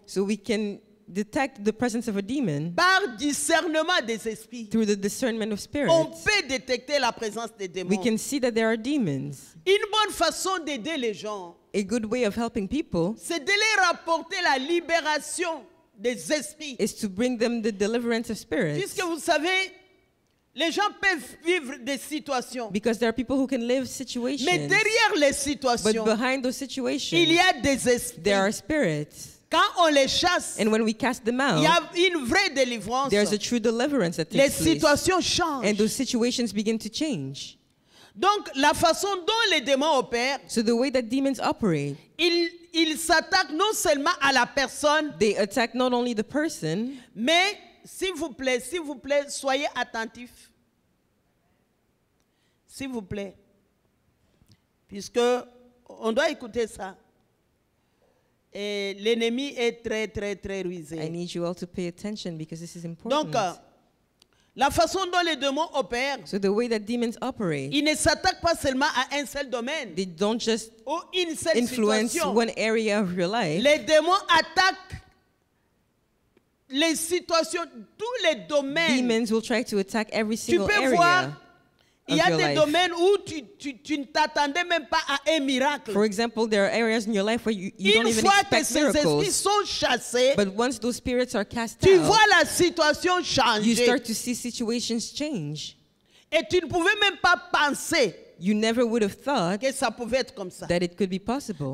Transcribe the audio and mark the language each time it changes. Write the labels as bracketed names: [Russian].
[English] So we can detect the presence of a demon, [French] par discernement des esprits, [English] through the discernment of spirits, [French] on peut détecter la présence des démons. [English] We can see that there are demons. [French] Une bonne façon d'aider les gens, [English] a good way of helping people, [French] c'est de les rapporter la libération des esprits, [English] is to bring them the deliverance of spirits. [French] Puisque vous savez, les gens peuvent vivre des situations. [English] Because there are people who can live situations. [French] Mais derrière les situations, [English] but behind those situations, [French] il y a des esprits. [English] There are spirits. [French] Quand on les chasse, [English] and when we cast them out, [French] y a une vraie délivrance. [English] There's a true deliverance that takes place. [French] Les situations changent. [English] And those situations begin to change. [French] Donc la façon dont les démons opèrent, [English] so the way that demons operate, [French] ils s'attaquent non seulement à la personne, [English] they attack not only the person, [French] mais s'il vous plaît, soyez attentifs. S'il vous plaît. Puisque on doit écouter ça. Et l'ennemi est très, très, très rusé. [English] I need you all to pay attention because this is important. [French] Donc, la façon dont les démons opèrent, [English] so the way that demons operate, [French] ils ne s'attaquent pas seulement à un seul domaine, [English] they don't just [French] ou une seule [English] influence [French] situation. [English] One area of your life. [French] Les démons attaquent les situations, tous les domaines. [English] Demons will try to attack every single area. [French] Tu peux voir, il y a des domaines où tu ne t'attendais même pas à un miracle. [English] For example, there are areas in your life where you don't even expect miracles. [French] Une fois que ces esprits sont chassés, [English] but once those spirits are cast [French] tu [English] out, [French] tu vois la situation changer. [English] You start to see situations change. [French] Et tu ne pouvais même pas penser, [English] you never would have thought, [French] que ça pouvait être comme ça. [English] That it could be possible.